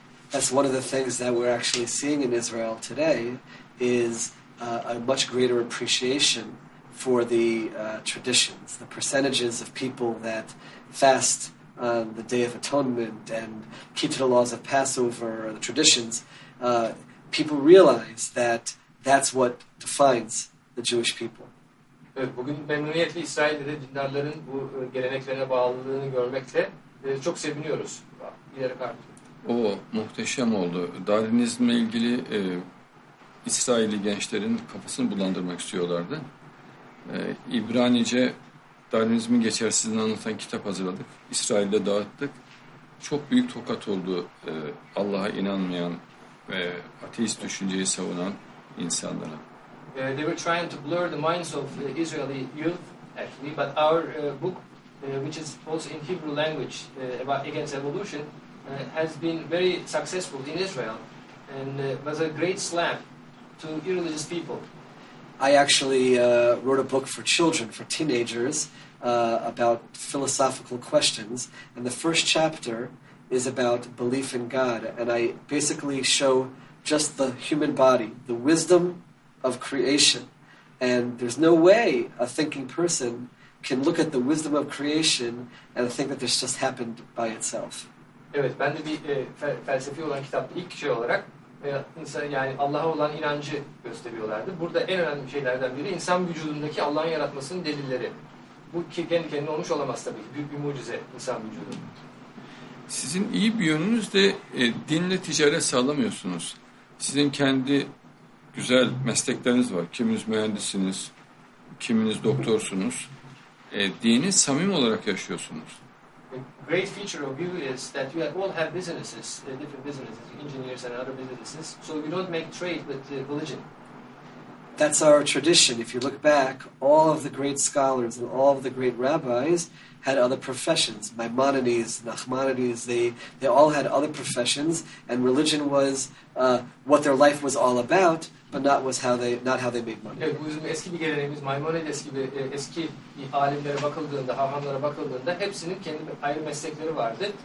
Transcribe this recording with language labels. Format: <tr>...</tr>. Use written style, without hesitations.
<en>That's one of the things that we're actually seeing in Israel today is a much greater appreciation for the traditions, the percentages of people that fast on the Day of Atonement and keep to the laws of Passover or the traditions, people realize that that's what defines the Jewish people.</en> <tr>Bugün memnuniyetle İsrail'de dindarların bu geleneklerine bağlılığını görmekte çok seviniyoruz. İleri kartı. O muhteşem oldu. Darwinizmle ilgili İsrailli gençlerin kafasını bulandırmak istiyorlardı. İbranice Darwinizmin geçersizliğini anlatan kitap hazırladık. İsrail'de dağıttık. Çok büyük tokat oldu Allah'a inanmayan ve ateist düşünceyi savunan insanlara.</tr> <en>They were trying to blur the minds of the Israeli youth, actually, but our book, which is also in Hebrew language, about against evolution, has been very successful in Israel and was a great slap to irreligious people. I actually wrote a book for children, for teenagers, about philosophical questions, and the first chapter is about belief in God, and I basically show just the human body, the wisdom of creation, and there's no way a thinking person can look at the wisdom of creation and think that this just happened by itself.</en> <tr>Evet, ben de bir felsefi olan kitapta ilk şey olarak insan yani Allah'a olan inancı gösteriyorlardı. Burada en önemli şeylerden biri insan vücudundaki Allah'ın yaratmasının delilleri. Bu ki kendi kendine olmuş olamaz tabii. Büyük bir mucize insan vücudu. Sizin iyi bir yönünüz de dinle ticaret sağlamıyorsunuz. Sizin kendi güzel meslekleriniz var. Kiminiz mühendisiniz, kiminiz doktorsunuz. Dini samim olarak yaşıyorsunuz.</tr> <en>The great feature of you is that you all have businesses, different businesses, engineers and other businesses, so you don't make trade with religion. That's our tradition. If you look back, all of the great scholars and all of the great rabbis had other professions. Maimonides, Nachmanides, they all had other professions, and religion was what their life was all about, but not how they made money.</en> <tr>Evet, bu bizim eski bir geleneğimiz. Maimonides gibi eski alimlere bakıldığında, hahamlara bakıldığında hepsinin kendi ayrı meslekleri vardı.</tr>